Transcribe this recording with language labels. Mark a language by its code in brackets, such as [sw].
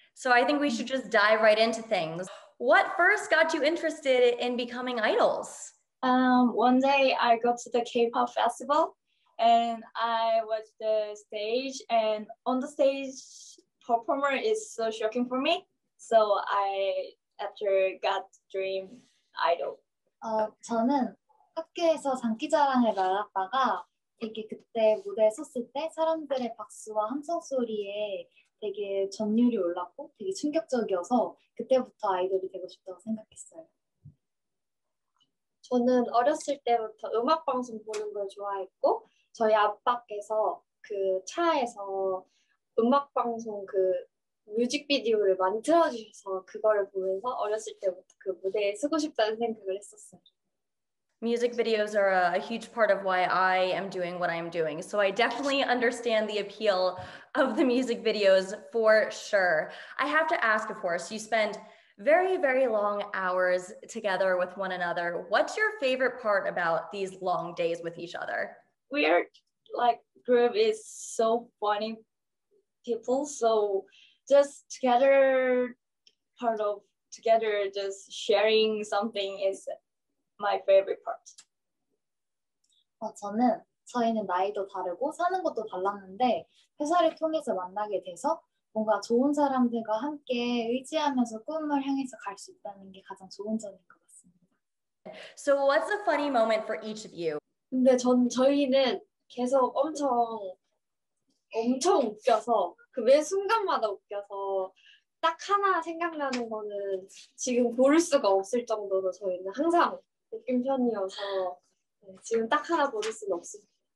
[en] So I think we should just dive right into things. What first got you interested in becoming idols? One day I go to the Kpop festival and I watch the stage, and on the stage performer is so shocking for me. So I after got dream idol. [ko] 저는 학교에서 장기자랑을 나갔다가 되게 그때 무대에 섰을 때 사람들의 박수와 함성 소리에 되게 전율이 올랐고 되게 충격적이어서 그때부터 아이돌이 되고 싶다고 생각했어요. 저는 어렸을 때부터 음악 방송 보는 걸 좋아했고 저희 아빠께서 그 차에서 음악 방송 그 뮤직비디오를 만들어 주셔서 그거를 보면서 어렸을 때부터 그 무대에 서고 싶다는 생각을 했었어요. [en] Music videos are a huge part of why I am doing what I'm doing. So I definitely understand the appeal of the music videos for sure. I have to ask, of course, you spend very, very long hours together with one another. What's your favorite part about these long days with each other? We are like group is so funny people. So just together, just sharing something is my favorite part. [ko] 저는 저희는 나이도 다르고 사는 것도 달랐는데 회사를 통해서 만나게 돼서 뭔가 좋은 사람들과 함께 의지하면서 꿈을 향해서 갈 수 있다는 게 가장 좋은 점인 것 같습니다. [en] So what's a funny moment for each of you? [ko] 근데 저희는 계속 엄청 웃겨서 그 매 순간마다 웃겨서 딱 하나 생각나는 거는 지금 고를 수가 없을 정도로 저희는 항상 웃긴 편이어서 지금 딱 하나 고를 수는 없습니다.